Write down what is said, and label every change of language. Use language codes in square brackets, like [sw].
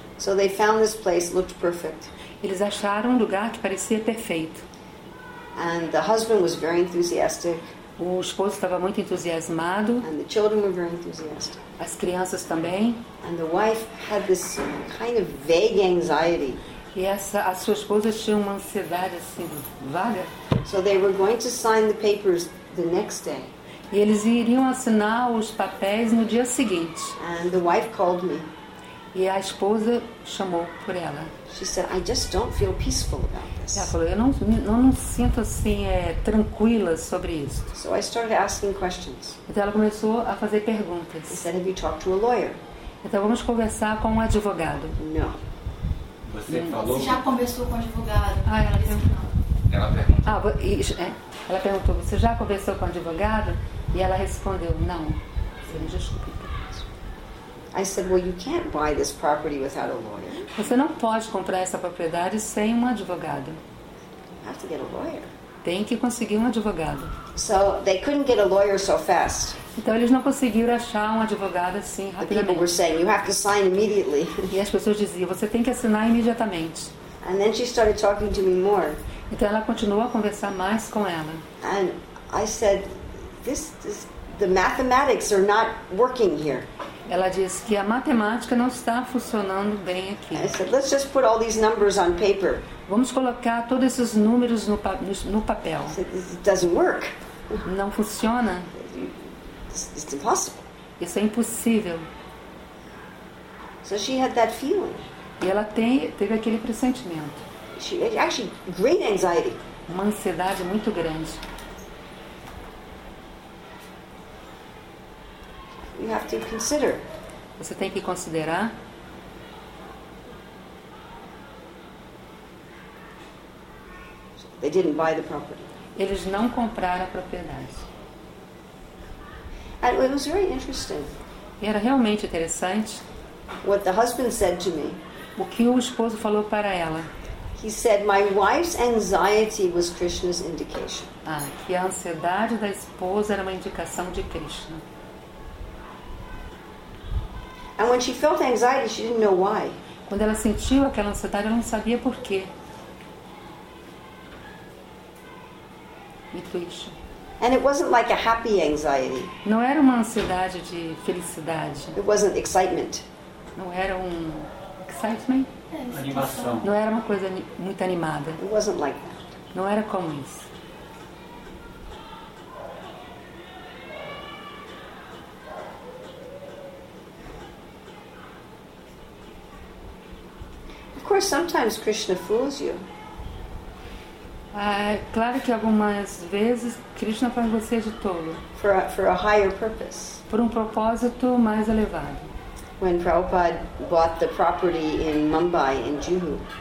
[en] So they found this place, looked perfect. [pt] Eles acharam lugar que parecia perfeito. [en] And the husband was very enthusiastic. [pt] O esposo estava muito entusiasmado. [en] And the children were very enthusiastic. [pt] As crianças também. [en] And the wife had this kind of vague anxiety. [pt] E a sua esposa tinha uma ansiedade assim, vaga. [en] So they were going to sign the papers the next day. [pt] E eles iriam assinar os papéis no dia seguinte. [en] And the wife called me. [pt] E a esposa chamou por ela. [en] She said, I just don't feel peaceful about it. [pt] Ela falou, eu não sinto assim tranquila sobre isso. [en] So I started asking questions. [pt] Então ela começou a fazer perguntas. [en] He said, have you talked to a lawyer? [pt] Então vamos conversar com um advogado. Não. Você já conversou com o advogado? Ah, ela disse que não. Ela perguntou, você já conversou com o advogado? E ela respondeu, não. Desculpe. [en] I said, well, you can't buy this property without a lawyer. [pt] Você não pode comprar essa propriedade sem um advogado. [en] You have to get a lawyer. [pt] Tem que conseguir um advogado. [en] So they couldn't get a lawyer so fast. [pt] Então eles não conseguiram achar um advogado assim rapidamente. [en] The people were saying, you have to sign immediately. [pt] E as pessoas diziam, você tem que assinar imediatamente. [en] And then she started talking to me more. [pt] Então ela continuou a conversar mais com ela. [en] And I said, this, the mathematics are not working here. [pt] Ela disse que a matemática não está funcionando bem aqui. [en] I said, let's just put all these numbers on paper. [pt] Vamos colocar todos esses números no papel. [en] It doesn't work. [pt] Não funciona. [en] It's impossible. [pt] Isso é impossível. [en] So she had that feeling. [pt] E ela teve aquele pressentimento. [en] Actually, great anxiety. [pt] Uma ansiedade muito grande. [en] You have to consider. [pt] Você tem que considerar. [en] They didn't buy the property. [pt] Eles não compraram a propriedade. [en] And it was very interesting. [pt] E era realmente interessante. [en] What the husband said to me. [pt] O que o esposo falou para ela. [en] He said, my wife's anxiety was Krishna's indication. [pt] Ah, que a ansiedade da esposa era uma indicação de Krishna. [en] And when she felt anxiety, she didn't know why. [pt] Quando ela sentiu aquela ansiedade, ela não sabia por quê. [en] Intuition. And it wasn't like a happy anxiety. [pt] Não era uma ansiedade de felicidade. [en] It wasn't excitement. [pt] Não era excitement? Animação. Não era uma coisa muito animada. [en] It wasn't like that. [pt] Não era como isso. [en] Of course, sometimes Krishna fools you. [pt] Claro que algumas vezes Krishna faz você de tolo. [en] For a higher purpose. [pt] Por propósito mais elevado. [en] When Prabhupada bought the property in Mumbai, in Juhu.